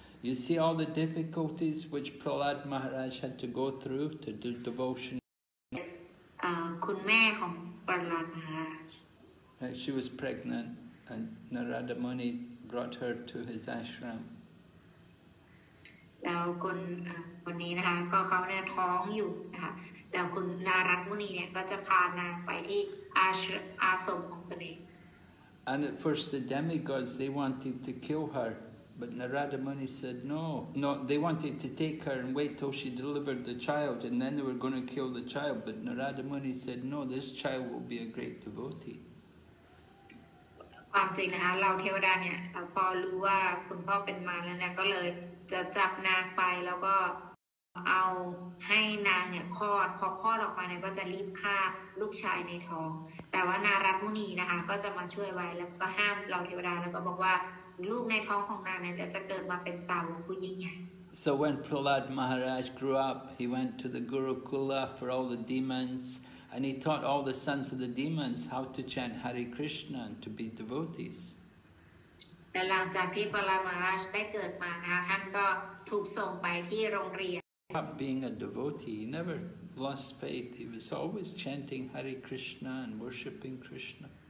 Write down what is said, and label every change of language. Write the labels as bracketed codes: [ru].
[en] You see all the difficulties which Prahlad Maharaj had to go through to do devotion. [th] คุณแม่ของ Prahlad Maharaj. [en] She was pregnant, and Narada Muni brought her to his ashram. [th] แล้วคนนี้นะคะก็เขาในท้องอยู่นะคะแล้วคุณนารัตมุนีเนี่ยก็จะพานางไปที่อาชอาสมของตนเอง [en] And at first the demigods they wanted to kill her but Narada Muni said no they wanted to take her and wait till she delivered the child and then they were going to kill the child but Narada Muni said no this child will be a great devotee [th] ความจริงนะคะเราเทวดาเนี่ยพอรู้ว่าคุณพ่อเป็นมารแล้วเนี่ยก็เลยจะจับนางไปแล้วก็เอาให้นางเนี่ยคลอดพอคลอดออกมาเนี่ยก็จะรีบฆ่าลูกชายในท้องแต่ว่านารัตมุนีนะคะก็จะมาช่วยไว้แล้วก็ห้ามเราเทวดาแล้วก็บอกว่าลูกในท้องของนางเนี่ยเดี๋ยวจะเกิดมาเป็นสาวกผู้ยิ่งใหญ่ [en] So when Prahlad Maharaj grew up he went to the Gurukula for all the demons and he taught all the sons of the demons how to chant Hare Krishna and to be devotees [th] แต่หลังจากที่ Prahlad Maharaj ได้เกิดมานะท่านก็ถูกส่งไปที่โรงเรียน [en] Being a devotee, he never lost faith. He was always chanting Hare Krishna and worshipping Krishna.